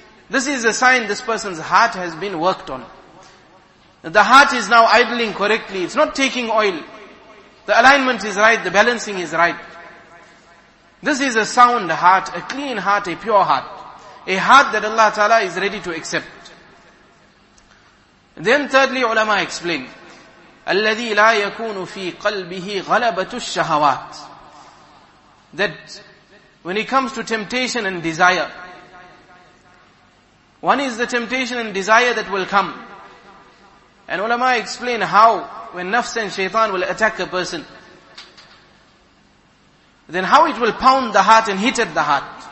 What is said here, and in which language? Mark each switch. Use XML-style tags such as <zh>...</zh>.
<en>This is a sign this person's heart has been worked on. The heart is now idling correctly. It's not taking oil. The alignment is right. The balancing is right. This is a sound heart, a clean heart, a pure heart. A heart that Allah Ta'ala is ready to accept. Then thirdly, ulama explained,</en> <ar>الَّذِي لَا يَكُونُ فِي قَلْبِهِ غَلَبَةُ الشَّهَوَاتِ.</ar> <en>That when it comes to temptation and desire, one is the temptation and desire that will come. And ulama explain how, when nafs and shaitan will attack a person, then how it will pound the heart and hit at the heart.</en>